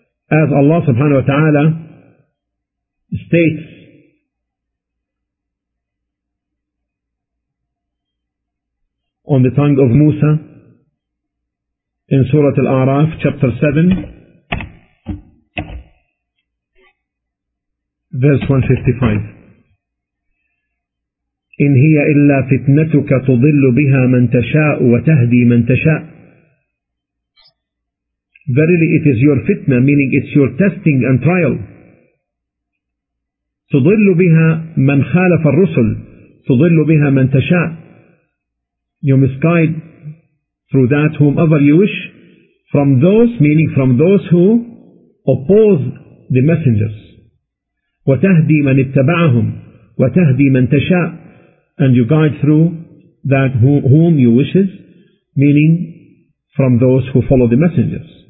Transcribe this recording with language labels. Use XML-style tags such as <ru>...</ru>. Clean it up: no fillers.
<en>As Allah subhanahu wa ta'ala states on the tongue of Musa in Surah Al-A'raf, chapter 7, verse 155,</en> <ar>إِنْ هِيَ إِلَّا فِتْنَتُكَ تُضِلُّ بِهَا مَنْ تَشَاءُ</ar> <en>وَتَهْدِي مَنْ تَشَاءُ. Verily it is your fitna, meaning it's your testing and trial.</en> <ar>تُضِلُّ بِهَا مَنْ خَالَفَ الرُّسُلُ تُضِلُّ بِهَا مَنْ تَشَاءُ.</ar> <en>You misguide through that whomever you wish, from those, meaning from those who oppose the messengers.</en> <ar>وتهدي من اتبعهم وتهدي من تشاء,</ar> <en>and you guide through that whom you wishes, meaning from those who follow the messengers.</en>